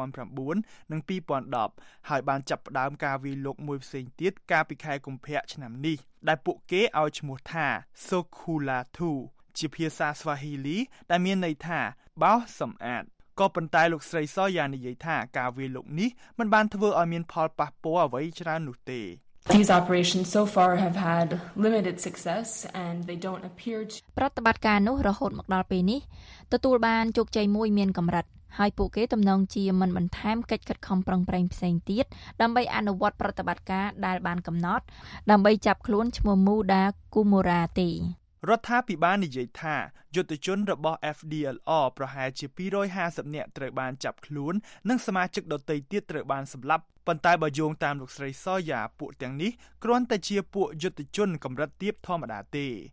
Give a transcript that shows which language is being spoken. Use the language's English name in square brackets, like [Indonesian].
[Khmer] 2009និង2010ហើយបានចាប់ផ្ដើមការវាយលុកមួយផ្សេងទៀតកាលពីខែកុម្ភៈឆ្នាំនេះដែលពួកគេឲ្យឈ្មោះថា Sokulatu ជាភាសាស្វាហ៊ីលីដែលមានន័យថាបោសសម្អាតក៏ប៉ុន្តែលោកស្រីសយ៉ានិយាយថាការវាយលុកនេះមិនបានធ្វើឲ្យមានផលប៉ះពាល់អ្វីច្រើននោះទេ [English] These operations so far have had limited success and they don't appear to [Khmer] ប្រតិបត្តិការនោះរហូតមកដល់ពេលនេះទទួលបានជោគជ័យមួយមានកម្រិតហើយពួកគេទំនងជាមិនបន្ថែមកិច្ចខិតខំប្រឹងប្រែងផ្សេងទៀតដើម្បីអនុវត្តប្រតិបត្តិការដែលបានកំណត់ដើម្បីចាប់ខ្លួនឈ្មោះ Mudakumura ទេ រដ្ឋាភិបាលនិយាយថាយុទ្ធជនរបស់ FDLR ប្រហែលជា250នាក់ត្រូវបានចាប់ខ្លួននិងសមាជិកដទៃទៀតត្រូវបានសម្លាប់ប៉ុន្តែបើយោងតាមលោកស្រីសយ៉ាពួកទាំងនេះគ្រាន់តែជាពួកយុទ្ធជនកម្រិតទាបធម្មតាទេ